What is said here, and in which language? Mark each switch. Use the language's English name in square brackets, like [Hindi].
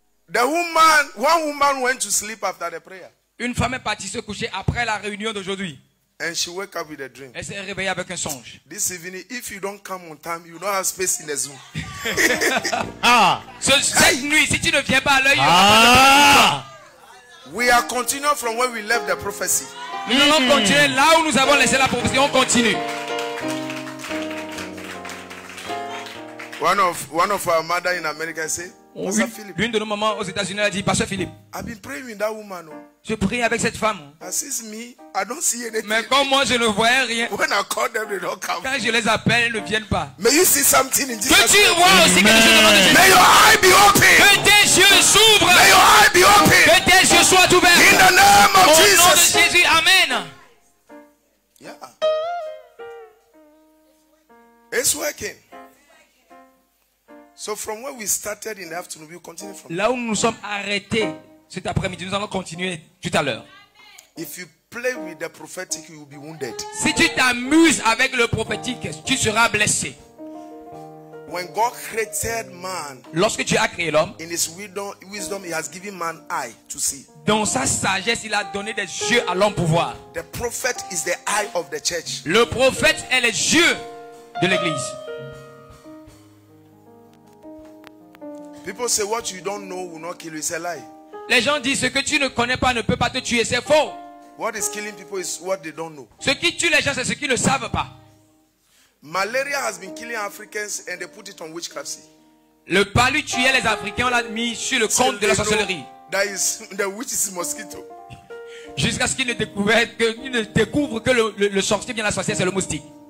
[English] The woman, one woman went to sleep after the prayer. [French] Une femme est partie se coucher après la réunion d'aujourd'hui. [English] And she woke up with a dream. [French] Elle s'est réveillée avec un songe. [English] This evening, if you don't come on time, you don't have space in the Zoom. Ah. [French] Cette nuit, si tu ne viens pas à l'œil, [English] we are continuing from where we left the prophecy. [French] Nous allons continuer là où nous avons laissé la prophétie. On continue. [English] One of our mother in America said, [French] l'une de nos mamans aux États-Unis a dit, Pasteur Philippe, [English] I've been praying with that woman. [French] Je prie avec cette femme. [English] Assist me, I don't see anything. [French] Mais comme moi je ne voyais rien. [English] When I call them, they don't come. [French] Quand je les appelle, ils ne viennent pas. [English] May you see something in Jesus. [French] Peux-tu voir aussi quelque chose dans Jésus? [English] May your eye be open. [French] Que tes yeux s'ouvrent. [English] May your eye be open. [French] Que tes yeux soient ouverts. [English] In the name of [French] Au [English] Jesus. [French] Nom de Jésus, amen. Yeah. [English] It's working. So from where we started in the afternoon, we'll continue from [French] là où nous sommes arrêtés cet après-midi, nous allons continuer tout à l'heure. [English] If you play with the prophetic, you will be wounded. [French] Si tu t'amuses avec le prophétique, tu seras blessé. [English] When God created man, [French] lorsque Dieu a créé l'homme, [English] in his wisdom, he has given man eye to see. [French] Dans sa sagesse, il a donné des yeux à l'homme pour voir. [English] The prophet is the eye of the church. [French] Le prophète est les yeux de l'église. [English] People say what you don't know will not kill you. It's a lie. [French] Les gens disent ce que tu ne connais pas ne peut pas te tuer. C'est faux. [English] What is killing people is what they don't know. [French] Ce qui tue les gens c'est ce qu'ils ne savent pas. [English] Malaria has been killing Africans and they put it on witchcraft. [French] Le paludisme tuait les Africains, on l'a mis sur le compte de la sorcellerie. [English] That is the witch is mosquito. [French] Jusqu'à ce qu'ils ne découvrent que le sorcier bien la sorcière c'est le moustique.